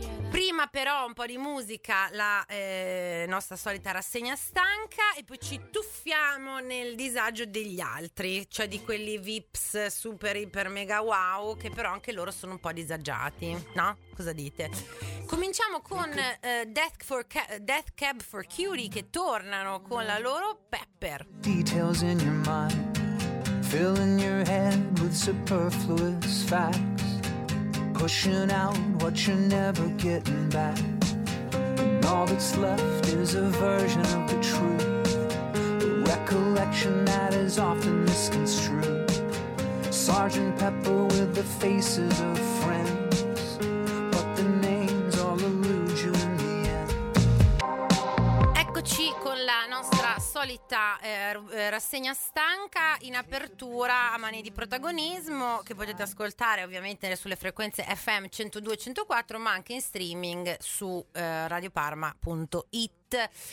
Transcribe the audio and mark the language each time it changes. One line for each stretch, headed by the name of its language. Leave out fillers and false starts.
Italian: Prima però un po' di musica, la nostra solita rassegna stanca, e poi ci tuffiamo nel disagio degli altri, cioè di quelli VIPs super iper mega wow, che però anche loro sono un po' disagiati, no? Cosa dite? Cominciamo con Death Cab for Cutie, che tornano con la loro Pepper.
English: Details in your mind, filling your head with superfluous facts, pushing out what you're never getting back. And all that's left is a version of the truth, a recollection that is often misconstrued. Sergeant Pepper with the faces of friends, but the names all elude you in the end.
Italian: Eccoci con la nostra solita rassegna stanca in apertura a mani di protagonismo, che potete ascoltare ovviamente sulle frequenze FM 102-104, ma anche in streaming su radioparma.it.